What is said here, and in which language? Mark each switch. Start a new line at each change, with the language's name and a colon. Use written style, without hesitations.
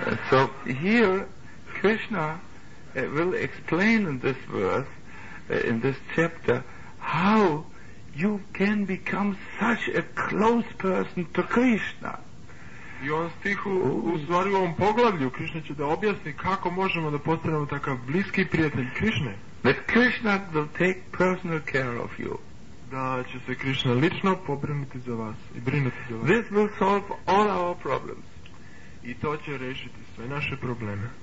English: So here Krishna will explain in this verse, in this chapter, how you can become such a close person to Krishna.
Serbian: I on stihu, u stvari u ovom poglavlju, Krishna će da objasni kako možemo da postanemo takav bliski prijatelj Krishne.
English: That Krishna will take personal care of you.
Serbian: Da će se Krishna lično pobrinuti za vas i brinuti za vas.
English: This will solve all our problems.
Serbian: I to će rešiti sve naše probleme.